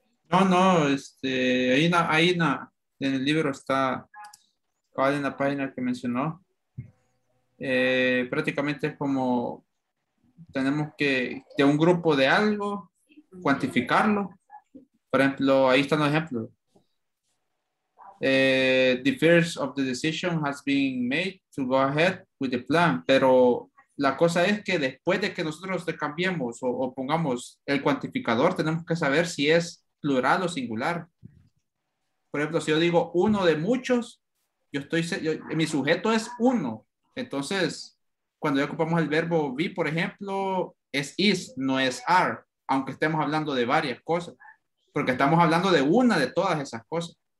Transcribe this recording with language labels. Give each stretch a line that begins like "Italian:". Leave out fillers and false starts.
Spanish: No, no, ahí en el libro está, ¿cuál es la página que mencionó? Prácticamente es como tenemos que, de un grupo de algo, cuantificarlo. Por ejemplo, ahí están los ejemplos.
English: The first of the decision has been made to go ahead with the plan.
Spanish: Pero la cosa es que después de que nosotros le cambiemos o pongamos el cuantificador, tenemos que saber si es plural o singular. Por ejemplo, si yo digo uno de muchos, mi sujeto es uno. Entonces, cuando ya ocupamos el verbo be, por ejemplo, es is, no es are, aunque estemos hablando de varias cosas, porque estamos hablando de una de todas esas cosas.